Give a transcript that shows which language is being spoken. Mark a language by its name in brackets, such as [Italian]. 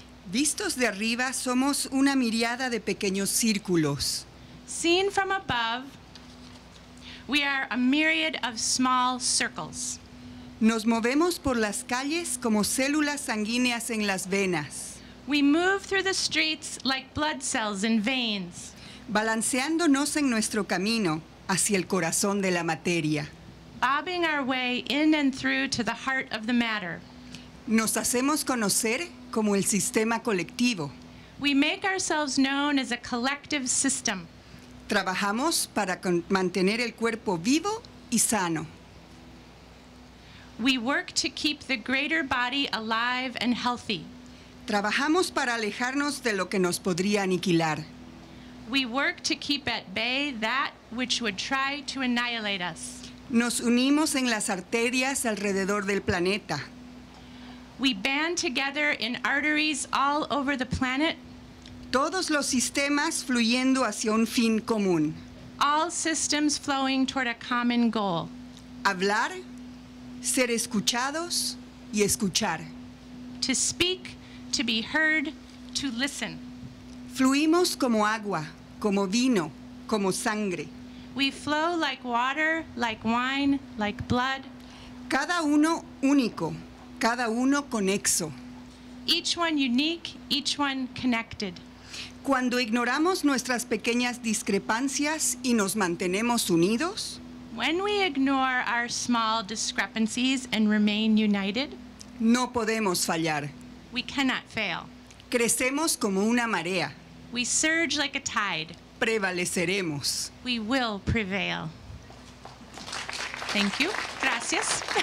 [Spanish] Vistos de arriba, somos una miriada de pequeños círculos. [English] Seen from above, we are a myriad of small circles. [Spanish] Nos movemos por las calles como células sanguíneas en las venas. [English] We move through the streets like blood cells in veins. [Spanish] Balanceándonos en nuestro camino hacia el corazón de la materia. [English] Bobbing our way in and through to the heart of the matter. [Spanish] Nos hacemos conocer como el sistema colectivo. [English] We make ourselves known as a collective system. [Spanish] Trabajamos para mantener el cuerpo vivo y sano. [English] We work to keep the greater body alive and healthy. [Spanish] Trabajamos para alejarnos de lo que nos podría aniquilar. [English] We work to keep at bay that which would try to annihilate us. [Spanish] Nos unimos en las arterias alrededor del planeta. [English] We band together in arteries all over the planet. [Spanish] Todos los sistemas fluyendo hacia un fin común. [English] All systems flowing toward a common goal. [Spanish] Hablar, ser escuchados y escuchar. [English] To speak, to be heard, to listen. [Spanish] Fluimos como agua, como vino, como sangre. [English] We flow like water, like wine, like blood. [Spanish] Cada uno único, cada uno conexo. [English] Each one unique, each one connected. [Spanish] Cuando ignoramos nuestras pequeñas discrepancias y nos mantenemos unidos, [English] when we ignore our small discrepancies and remain united, [Spanish] no podemos fallar. [English] We cannot fail. [Spanish] Crecemos como una marea. [English] We surge like a tide. [Spanish] Prevaleceremos. [English] We will prevail. Thank you. [Spanish] Gracias.